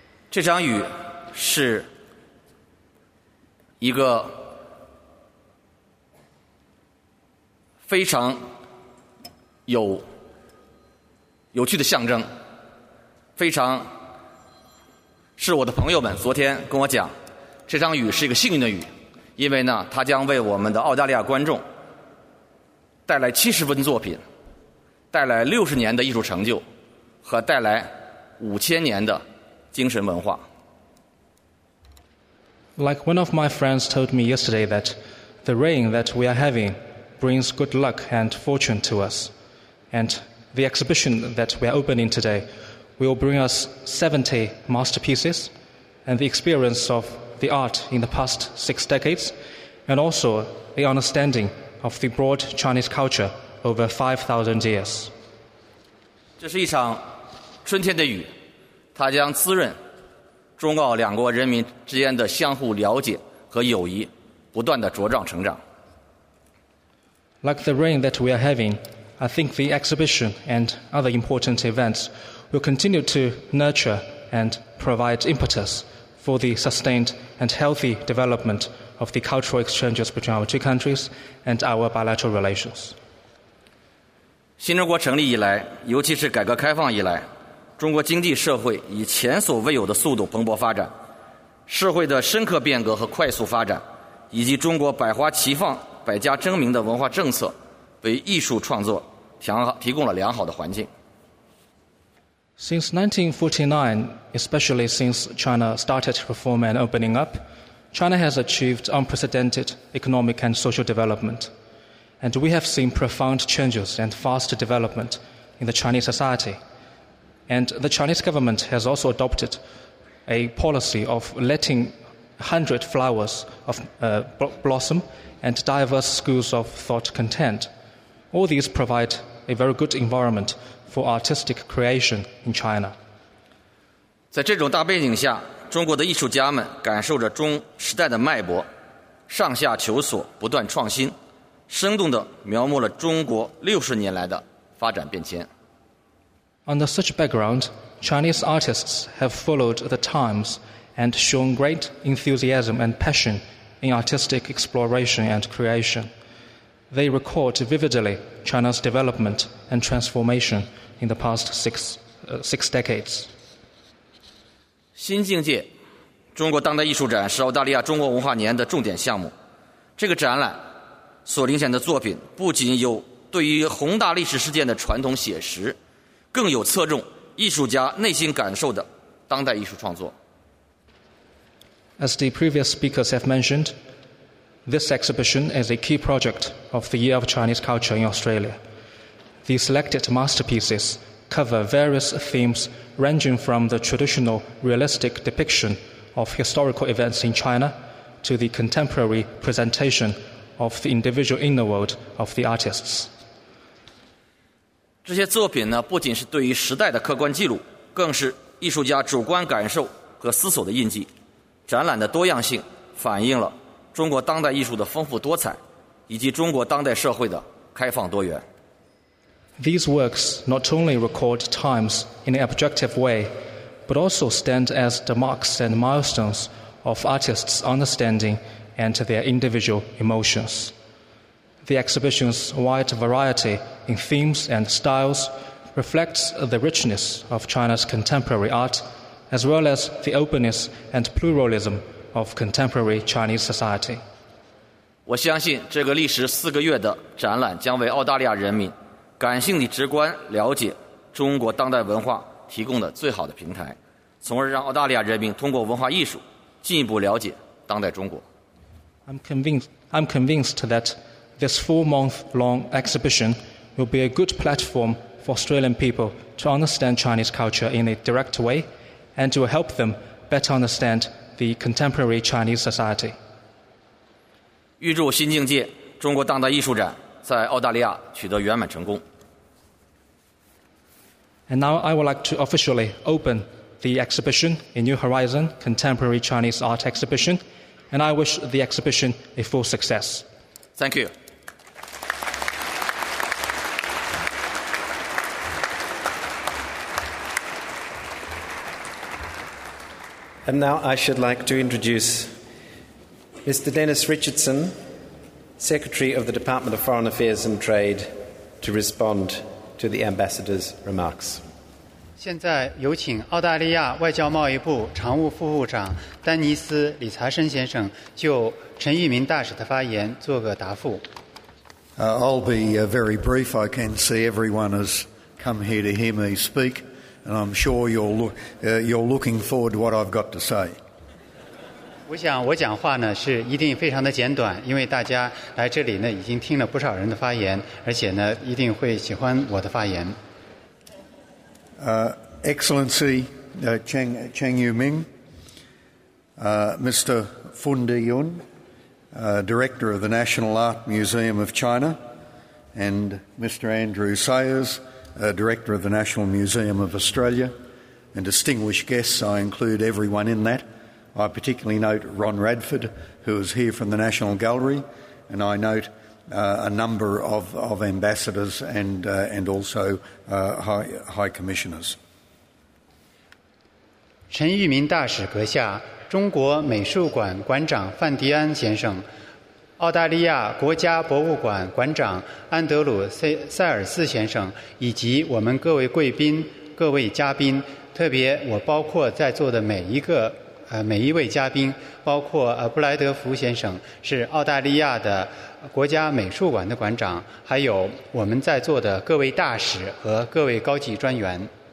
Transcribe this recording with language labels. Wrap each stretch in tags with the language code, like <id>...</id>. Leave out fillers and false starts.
<zh>这场雨是一个非常有趣的象征，非常是我的朋友们昨天跟我讲，这场雨是一个幸运的雨。因为呢，它将为我们的澳大利亚观众带来70幅作品，带来60年的艺术成就，和带来5000年的精神文化。</zh> <en>Like one of my friends told me yesterday that the rain that we are having brings good luck and fortune to us, and the exhibition that we are opening today will bring us 70 masterpieces and the experience of. The art in the past 6 decades, and also the understanding of the broad Chinese culture over 5,000 years.</en> <zh>这是一场春天的雨，它将滋润中澳两国人民之间的相互了解和友谊不断的茁壮成长。</zh> <en>Like the rain that we are having, I think the exhibition and other important events will continue to nurture and provide impetus. For the sustained and healthy development of the cultural exchanges between our two countries and our bilateral relations.</en> <zh>新中国成立以来，尤其是改革开放以来，中国经济社会以前所未有的速度蓬勃发展，社会的深刻变革和快速发展，以及中国百花齐放、百家争鸣的文化政策，为艺术创作提供了良好的环境。</zh> <en>Since 1949, especially since China started reform and opening up, China has achieved unprecedented economic and social development. And we have seen profound changes and fast development in the Chinese society. And the Chinese government has also adopted a policy of letting 100 flowers of, blossom and diverse schools of thought content. All these provide a very good environment. For artistic creation in China.</en> <zh>在这种大背景下，中国的艺术家们感受着中时代的脉搏，上下求索，不断创新，生动地描摹了中国60年来的发展变迁。</zh> <en>Under such background, Chinese artists have followed the times and shown great enthusiasm and passion in artistic exploration and creation. They record vividly China's development and transformation in the past six decades.</en> <zh>新境界，中国当代艺术展是澳大利亚中国文化年的重点项目。这个展览所领展的作品不仅有对于宏大历史事件的传统写实，更有侧重艺术家内心感受的当代艺术创作。</zh> <en>As the previous speakers have mentioned, this exhibition is a key project of the Year of Chinese Culture in Australia. The selected masterpieces cover various themes ranging from the traditional realistic depiction of historical events in China to the contemporary presentation of the individual inner world of the artists.</en> <zh>这些作品呢，不仅是对于时代的客观记录，更是艺术家主观感受和思索的印记。展览的多样性反映了中国当代艺术的丰富多彩，以及中国当代社会的开放多元。</zh> <en>These works not only record times in an objective way, but also stand as the marks and milestones of artists' understanding and their individual emotions. The exhibition's wide variety in themes and styles reflects the richness of China's contemporary art, as well as the openness and pluralism of contemporary Chinese society.</en> <zh>我相信这个历时四个月的展览将为澳大利亚人民感性地直观了解中国当代文化提供的最好的平台，从而让澳大利亚人民通过文化艺术进一步了解当代中国。</zh> <en>I'm convinced that this four-month-long exhibition will be a good platform for Australian people to understand Chinese culture in a direct way and to help them better understand the contemporary Chinese society.</en> <zh>预祝新境界中国当代艺术展在澳大利亚取得圆满成功。</zh> <en>And now I would like to officially open the exhibition, A New Horizon Contemporary Chinese Art Exhibition, and I wish the exhibition a full success. Thank you. And now I should like to introduce Mr. Dennis Richardson, Secretary of the Department of Foreign Affairs and Trade, to respond to the Ambassador's remarks.</en> <zh>现在有请澳大利亚外交贸易部常务副部长丹尼斯·理查森先生就陈玉明大使的发言做个答复。</zh> <en>I'll be very brief. I can see everyone has come here to hear me speak, and I'm sure you're looking forward to what I've got to say.</en> <zh>我想我讲话呢是一定非常的简短，因为大家来这里呢已经听了不少人的发言，而且呢一定会喜欢我的发言。</zh> <en>Excellency Chang Yuming, Mr. Fun Diyun, Director of the National Art Museum of China, and Mr. Andrew Sayers, Director of the National Museum of Australia, and distinguished guests, I include everyone in that. I particularly note Ron Radford, who is here from the National Gallery, and I note a number of ambassadors and also high commissioners.</en> <zh>陈玉明大使阁下，中国美术馆馆长范迪安先生，澳大利亚国家博物馆馆长安德鲁塞尔斯先生，以及我们各位贵宾、各位嘉宾，特别我包括在座的每一位嘉宾，包括布莱德福先生，是澳大利亚的国家美术馆的馆长，还有我们在座的各位大使和各位高级专员。</zh>